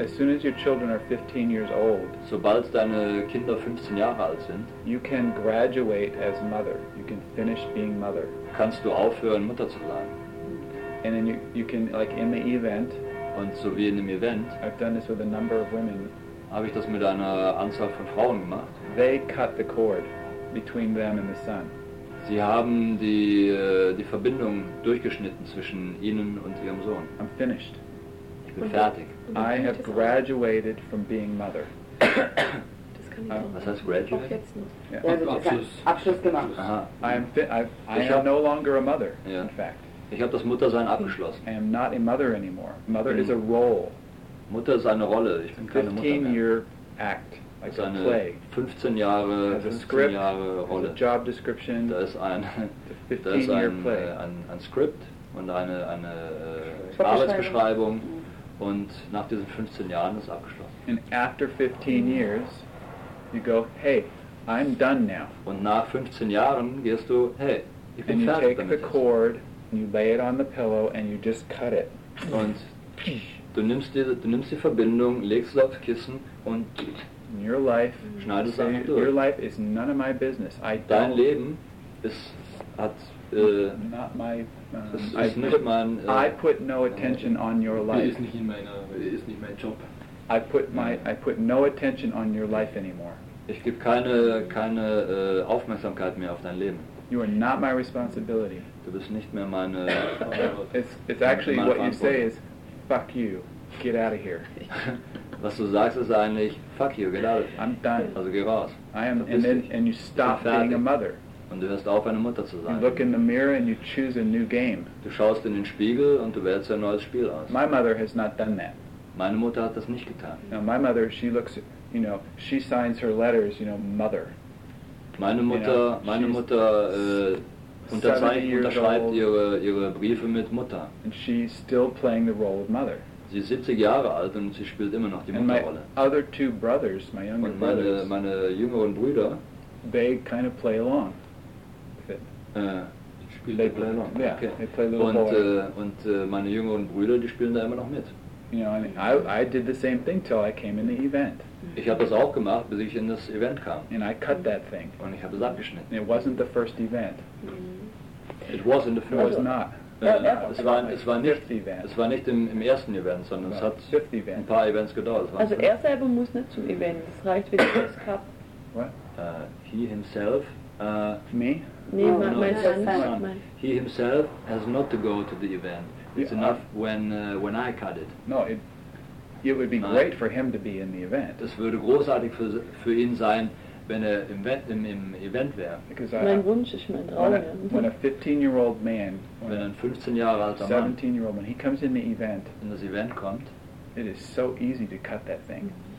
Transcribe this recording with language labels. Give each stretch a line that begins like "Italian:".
English: As soon as your children are 15 years old,
German: sobald deine Kinder 15 Jahre alt sind,
English: you can graduate as mother. You can finish being mother.
German: Kannst du aufhören, Mutter zu sein.
English: And then you can, like in the event,
German: und so wie in einem Event,
English: I've done this with a number of women,
German: habe ich das mit einer Anzahl von Frauen gemacht.
English: They cut the cord between them and the son.
German: Sie haben die Verbindung durchgeschnitten zwischen ihnen und ihrem Sohn.
English: I'm finished.
German: Ich bin fertig.
English: I have graduated from being mother.
German: Was heißt graduate? Yeah. Ja, also Abschluss gemacht. Aha.
English: I am no longer a mother, yeah. In fact.
German: Ich habe das Muttersein abgeschlossen.
English: I am not a mother anymore. Mother is a role.
German: Mutter ist eine Rolle. Ich bin keine Mutter mehr.
English: 15-year act, like
German: eine
English: a play.
German: 15 Jahre,
English: a script,
German: 15 Jahre Rolle.
English: A job description.
German: Da ist ein, da ist ein Skript und eine Arbeitsbeschreibung. Und nach diesen 15 Jahren ist abgeschlossen.
English: And after 15 years, you go, hey, I'm done now.
German: Und nach 15 Jahren gehst du, hey, ich bin
English: and
German: fertig
English: you take
German: damit.
English: The cord, and you lay it on the pillow and you just cut it.
German: Und du nimmst die Verbindung, legst es aufs Kissen und
English: in your life,
German: schneidest es einfach durch.
English: Your life is none of my business.
German: Dein Leben ist hat
English: not my
German: ist nicht mein
English: I put no attention on your life.
German: Ist nicht mein Job.
English: I put no attention on your life anymore.
German: Ich gebe keine Aufmerksamkeit mehr auf dein Leben.
English: You are not my responsibility.
German: Du bist nicht mehr meine
English: it's actually what you say is fuck you, get out of here.
German: Was du sagst ist eigentlich
English: fuck you, get out of here. I'm done.
German: Also geh raus.
English: I am, and you stop being a mother.
German: Und du hörst auf, eine Mutter zu sein.
English: You look in the mirror and you choose a new game.
German: Du schaust in den Spiegel und du wählst ein neues Spiel aus.
English: My mother has not done that.
German: Meine Mutter hat das nicht getan.
English: Now my mother, she looks, you know, she signs her letters, you know, mother.
German: Meine Mutter,
English: you know,
German: meine Mutter unterschreibt ihre Briefe mit Mutter.
English: And she's still playing the role of mother.
German: Sie ist 70 Jahre alt und sie spielt immer noch die Mutterrolle.
English: Other two brothers, my younger
German: und meine jüngeren Brüder,
English: they kind of play along.
German: Und meine jüngeren Brüder, die spielen da immer noch mit.
English: I did the same thing till I came in the event.
German: Ich habe das auch gemacht, bis ich in das Event kam.
English: And I cut that thing.
German: Und ich habe es abgeschnitten.
English: It wasn't the first event. It wasn't the first. It was not.
German: Es war nicht im ersten Event, sondern es hat ein paar Events gedauert. Also er selber muss nicht zum Event. Es reicht, wenn ich das habe.
English: What? He himself. Me? He himself has not to go to the event. It's enough when I cut it. No, it would be great for him to be in the event.
German: Das würde großartig für ihn sein, wenn er im Event wäre. Mein Wunsch ist mein Traum.
English: When a 15-year-old man,
German: wenn ein 15 Jahre alter Mann,
English: 17-year-old man, he comes in the event,
German: in das Event kommt,
English: it is so easy to cut that thing.